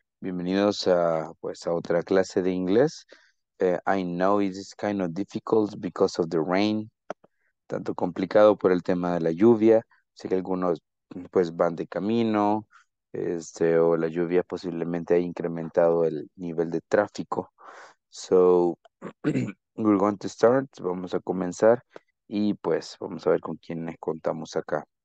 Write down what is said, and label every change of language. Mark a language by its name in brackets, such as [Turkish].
[Spanish] Bienvenidos a pues a otra clase de inglés. [English] I know it is kind of difficult because of the rain. [Spanish] Tanto complicado por el tema de la lluvia. Sé que algunos pues van de camino, o la lluvia posiblemente ha incrementado el nivel de tráfico. [English] So we're going to start. [Spanish] Vamos a comenzar y pues vamos a ver con quiénes contamos acá.